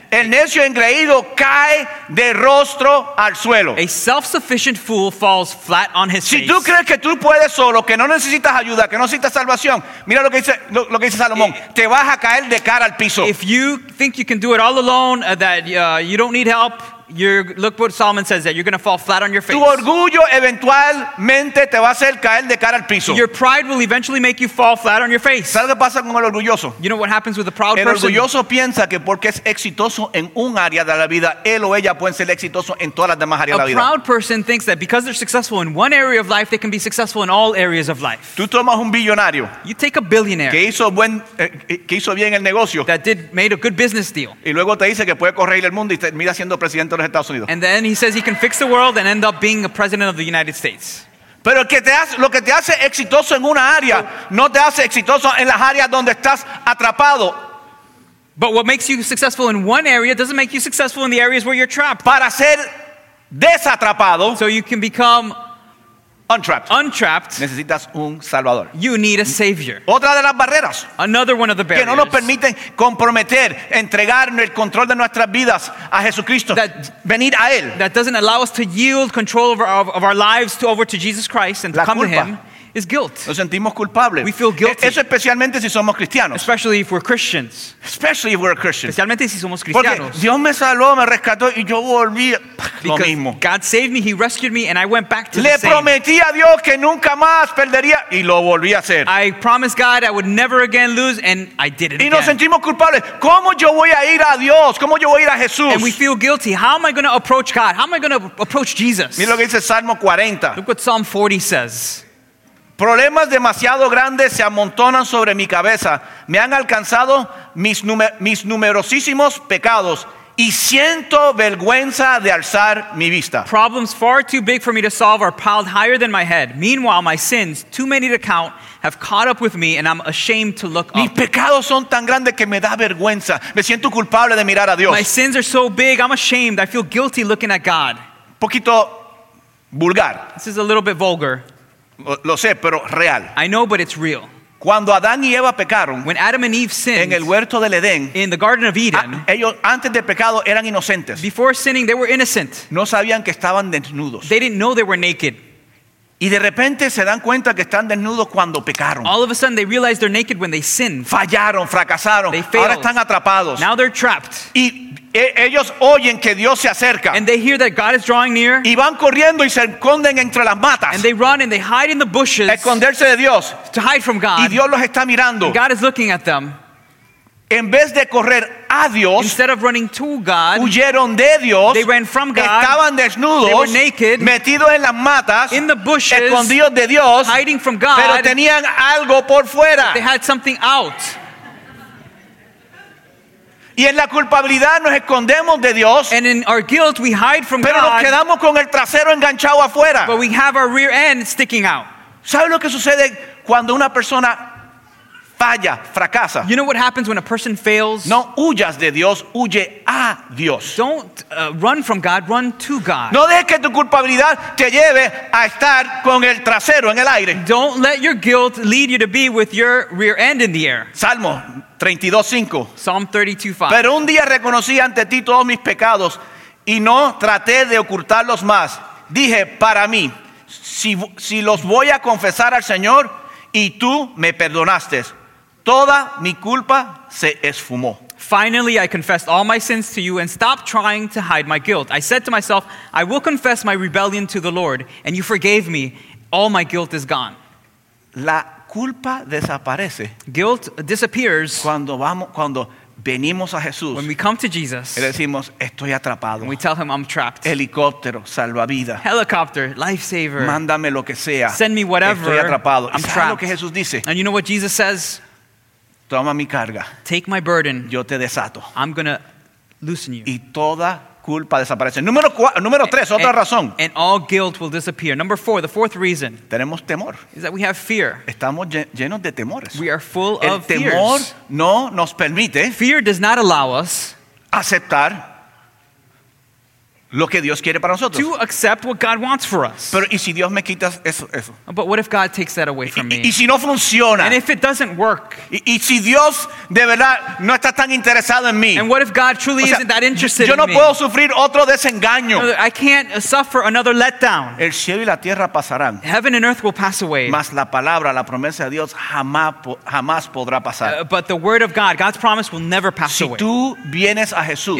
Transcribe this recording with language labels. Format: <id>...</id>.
<es>El necio engreído cae de rostro al suelo.</es> <en>A self-sufficient fool falls flat on his</en> <es>si Si tú crees que tú puedes solo, que no necesitas ayuda, que no necesitas salvación, mira lo que dice Salomón. Te vas a caer de cara al piso.</es> <en>If you think you can do it all alone, that you don't need help, look what Solomon says, that you're going to fall flat on your face.</en> <es>Tu orgullo eventualmente te va a hacer caer de cara al piso.</es> <en>Your pride will eventually make you fall flat on your face.</en> <es>¿Sabes qué pasa con el orgulloso?</es> <en>You know what happens with a proud person?</en> <es>El orgulloso piensa que porque es exitoso en un área de la vida, él o ella puede ser exitoso en todas las demás áreas de la vida.</es> <en>A proud person thinks that because they're successful in one area of life, they can be successful in all areas of life.</en> <es>Tú tomas un billonario.</es> <en>You take a billionaire.</en> <es>Que hizo bien el negocio.</es> <en>Made a good business deal.</en> <es>Y luego te dice que puede correr el mundo y termina siendo presidente de los Estados Unidos.</es> <en>And then he says he can fix the world and end up being a president of the United States.</en> <es>Pero lo que te hace exitoso en una área no te hace exitoso en las áreas donde estás atrapado.</es> <en>But what makes you successful in one area doesn't make you successful in the areas where you're trapped.</en> <es>Para ser desatrapado,</es> <en>so you can become untrapped,</en> <es>necesitas un salvador.</es> <en>You need a savior.</en> <es>Otra de las barreras.</es> <en>Another one of the barriers.</en> <es>Que no nos permiten comprometer, entregar el control de nuestras vidas a Jesucristo.</es> <en>That,</en> <es>venir a él.</es> <en>That doesn't allow us to yield control of our lives to over to Jesus Christ and</en> <es>la</es> <en>to come</en> <es>culpa.</es> <en>To him. Is guilt.</en> <es>Nos sentimos culpables.</es> <en>We feel guilty.</en> <es>Eso especialmente si somos cristianos.</es> <en>Especially if we're Christians. Especially if we're Christians.</en> <es>Especialmente si somos cristianos. Porque Dios me salvó, me rescató y yo volví lo mismo.</es> <en>God saved me, he rescued me and I went back to</en> <es>Le</es> <en>the same.</en> <es>Le prometí a Dios que nunca más perdería y lo volví a hacer.</es> <en>I promised God I would never again lose and I did it again.</en> <es>Y nos sentimos culpables. ¿Cómo yo voy a ir a Dios? ¿Cómo yo voy a ir a Jesús?</es> <en>And we feel guilty. How am I going to approach God? How am I going to approach Jesus?</en> <es>Mira lo que dice Salmo 40.</es> <en>Look what Psalm 40 says.</en> <es>Problemas demasiado grandes se amontonan sobre mi cabeza. Me han alcanzado mis numerosísimos pecados y siento vergüenza de alzar mi vista.</es> <en>Problems far too big for me to solve are piled higher than my head. Meanwhile, my sins, too many to count, have caught up with me and I'm ashamed to look up.</en> <es>Mis pecados son tan grandes que me da vergüenza. Me siento culpable de mirar a Dios.</es> <en>My sins are so big, I'm ashamed. I feel guilty looking at God.</en> <es>Poquito vulgar.</es> <en>This is a little bit vulgar.</en> <es>Lo sé, pero real.</es> <en>I know, but it's real.</en> <es>Cuando Adán y Eva pecaron,</es> <en>when Adam and Eve sinned,</en> <es>en el huerto del Edén,</es> <en>in the Garden of Eden,</en> <es>ellos antes del pecado eran inocentes.</es> <en>Before sinning, they were innocent.</en> <es>No sabían que estaban desnudos.</es> <en>They didn't know they were naked.</en> <es>Y de repente se dan cuenta que están desnudos cuando pecaron.</es> <en>All of a sudden, they realize they're naked when they sinned.</en> <es>Fallaron, fracasaron.</es> <en>They failed.</en> <es>Ahora están atrapados.</es> <en>Now they're trapped.</en> <es>Y ellos oyen que Dios se acerca.</es> <en>And they hear that God is drawing near.</en> <es>Y van corriendo y se esconden entre las matas.</es> <en>And they run and they hide in the bushes.</en> <es>A esconderse de Dios.</es> <en>To hide from God.</en> <es>Y Dios los está mirando.</es> <en>And God is looking at them.</en> <es>En vez de correr a Dios,</es> <en>instead of running to God,</en> <es>huyeron de Dios,</es> <en>they ran from God,</en> <es>estaban desnudos,</es> <en>they were naked,</en> <es>metidos en las matas,</es> <en>in the bushes,</en> <es>escondidos de Dios,</es> <en>hiding from God,</en> <es>pero tenían algo por fuera.</es> <en>They had something out.</en> <es>Y en la culpabilidad nos escondemos de Dios,</es> <en>and in our guilt we hide from</en> <es>pero</es> <en>God,</en> <es>nos quedamos con el trasero enganchado afuera.</es> <en>But we have our rear end sticking out.</en> <es>¿Sabes lo que sucede cuando una persona falla, fracasa?</es> <en>You know what happens when a person fails?</en> <es>No huyas de Dios, huye a Dios.</es> <en>Don't run from God, run to God.</en> <es>No dejes que tu culpabilidad te lleve a estar con el trasero en el aire.</es> <en>Don't let your guilt lead you to be with your rear end in the air.</en> <es>Salmo 32:5.</es> <en>Psalm 32:5.</en> <es>Pero un día reconocí ante ti todos mis pecados y no traté de ocultarlos más. Dije para mí, si los voy a confesar al Señor y tú me perdonaste, toda mi culpa se esfumó.</es> <en>Finally, I confessed all my sins to you and stopped trying to hide my guilt. I said to myself, I will confess my rebellion to the Lord, and you forgave me. All my guilt is gone.</en> <es>La culpa desaparece.</es> <en>Guilt disappears.</en> <es>Cuando venimos a Jesús.</es> <en>When we come to Jesus.</en> <es>Y decimos, estoy atrapado.</es> <en>We tell him, I'm trapped.</en> <es>Helicóptero, salvavidas.</es> <en>Helicopter, lifesaver.</en> <es>Mándame lo que sea.</es> <en>Send me whatever.</en> <es>Estoy atrapado.</es> <en>I'm trapped.</en> <es>Lo que Jesús dice.</es> <en>And you know what Jesus says?</en> <es>Toma mi carga.</es> <en>Take my burden.</en> <es>Yo te desato.</es> <en>I'm going to loosen you.</en> <es>Y toda culpa desaparece. Número tres, otra razón.</es> <en>And all guilt will disappear. Number four, the fourth reason.</en> <es>Tenemos temor.</es> <en>Is that we have fear.</en> <es>Estamos llenos de temores.</es> <en>We are full</en> <es>El</es> <en>of fears.</en> <es>El temor no nos permite.</es> <en>Fear does not allow us.</en> <es>Aceptar. Lo que Dios quiere para nosotros.</es> <en>To accept what God wants for us.</en> <es>Pero ¿y si Dios me quita eso?</es> <en>But what if God takes that away from me?</en> <es>¿Y si no funciona?</es> <en>And if it doesn't work?</en> <es>¿Y si Dios de verdad no está tan interesado en mí?</es> <en>And what if God truly isn't that interested in me?</en> <es>Yo no puedo sufrir otro desengaño.</es> <en>No, I can't suffer another letdown.</en> <es>El cielo y la tierra pasarán.</es> <en>Heaven and earth will pass away.</en> <es>Mas la palabra, la promesa de Dios jamás podrá pasar.</es> <en>But the word of God, God's promise will never pass</en> <es>si</es> <en>away.</en> <es>Si tú vienes a Jesús,</es>